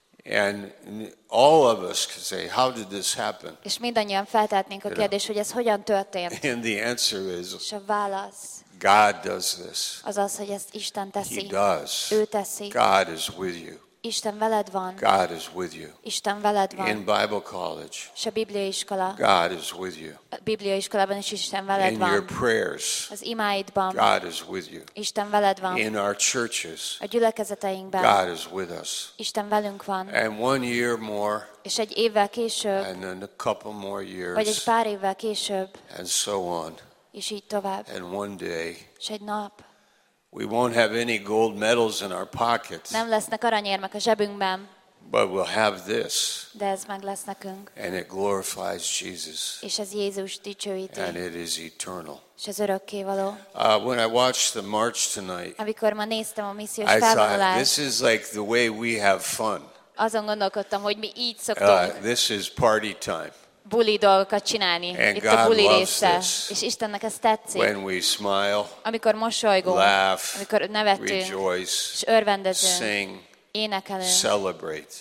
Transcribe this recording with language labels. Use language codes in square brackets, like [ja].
[en] And all of us could say, how did this happen? [hu] És mindannyian feltehetnénk a kérdés, hogy ez hogyan történt? [en] And the answer is, [hu] és a válasz, [en] God does this. [hu] Azaz, hogy ezt Isten teszi. [en] He does. [hu] Ő teszi. [en] God is with you. [hu] Isten veled van. [en] God is with you. [hu] Isten veled van. [en] In Bible college. [hu] És a Biblia iskola. [en] God is with you. [hu] A Biblia iskolában is Isten veled [en] in [hu] van. [en] In your prayers. [hu] Az imáidban. [en] God is with you. [hu] Isten veled van. [en] In our churches. [hu] A gyülekezeteinkben. [en] God is with us. [hu] Isten velünk van. [en] And one year more. [hu] És egy évvel később. [en] And then a couple more years. [hu] Vagy egy pár évvel később. [en] And so on. [hu] És így tovább. [en] And one day. [hu] És egy nap. [en] We won't have any gold medals in our pockets. [hu] Nem lesznek aranyérmek a zsebünkben. [en] But we'll have this. [hu] De ez meg lesz nekünk. [en] And it glorifies Jesus. [hu] És ez Jézus dicsőíti. [en] And it is eternal. [hu] És ez örökkévaló. [en] When I watched the march tonight, [hu] amikor ma néztem a missziós felvonulást, [en] this is like the way we have fun. [hu] Azon gondolkodtam, hogy mi így szoktunk. [en] This is party time. [hu] Buli dolgokat csinálni. [en] And [hu] itt [en] God [hu] a buli része. [en] This. [hu] És Istennek ez tetszik. [en] When we smile, [hu] amikor mosolygunk, [en] laugh, [hu] amikor nevetünk, [en] rejoice, [hu] és örvendezünk, [en] sing, [hu] énekelünk, [en] celebrate,